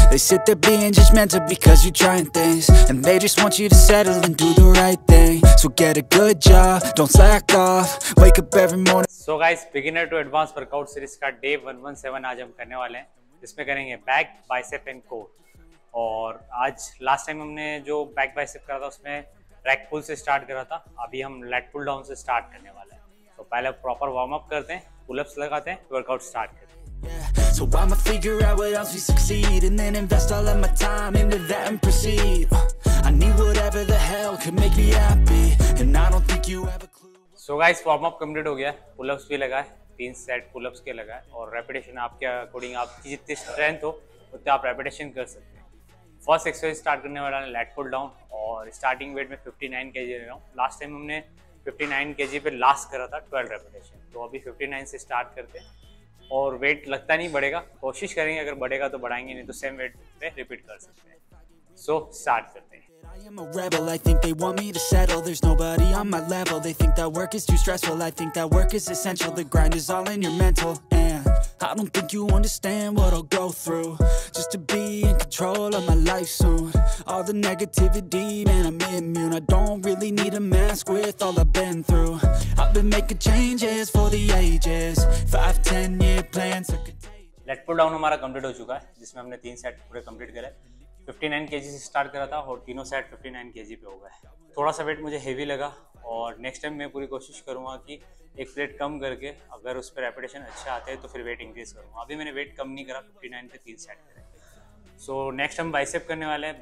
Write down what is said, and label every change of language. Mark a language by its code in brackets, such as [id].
[en] They sit there being judgmental because you're trying things, and they just want you to settle and do the right thing. So get a good job, don't slack off, wake up every morning. [hi] So guys, beginner to advanced workout series का day 117 आज हम करने वाले हैं, जिसमें करेंगे back, bicep and core. और आज last time हमने जो back bicep करा था उसमें rack pull से start करा था, अभी हम lat pull down से start करने वाले हैं. तो पहले प्रॉपर वार्म अप करते हैं, पुल अप्स लगाते हैं, वर्कआउट स्टार्ट करते हैं. [en] So I'ma figure out what else we succeed, and then invest all of my time into that and proceed. I need whatever the hell can make me happy, and I don't think you have a clue. [hi] So guys, warm up complete हो गया, pull ups भी लगा है, 3 set pull ups के लगा है, और repetition आपके अकॉर्डिंग, आपकी जितनी स्ट्रेंथ हो उतना आप रेपिटेशन कर सकते हैं. फर्स्ट एक्सरसाइज स्टार्ट करने वाला है लैट पुल डाउन, और स्टार्टिंग वेट में 59 केजी ले रहा हूं. लास्ट टाइम हमने 59 केजी पे लास्ट करा था 12 रेपिटेशन, तो अभी 59 से स्टार्ट करते हैं. और वेट लगता नहीं बढ़ेगा, कोशिश करेंगे, अगर बढ़ेगा तो बढ़ाएंगे, नहीं तो सेम वेट पे रिपीट कर सकते हैं. सो स्टार्ट करते हैं. [en] I am a rebel, I think they want me to settle. There's nobody on my level, they think that work is too stressful. I think that work is essential, the grind is all in your mental. And I don't think you understand what I'll go through just to be in control of my life soon. All the negativity, man, I'm immune. I don't really need a mask with all I've been through. I've been making changes for the ages, 5-10 year plans are contagious. [hi] Let's pull down hamara complete ho chuka hai, jisme humne 3 set pure complete kare. 59 kg से start करा था और तीनों set 59 kg पे हो गए. थोड़ा सा वेट मुझे हेवी लगा, और नेक्स्ट टाइम मैं पूरी कोशिश करूँगा कि एक प्लेट कम करके अगर उस पर रेपिटेशन अच्छा आते हैं तो फिर वेट इंक्रीज करूँगा. अभी मैंने वेट कम नहीं करा, 59 पे 3 सेट करें. सो नेक्स्ट हम बाइसेप करने वाले हैं.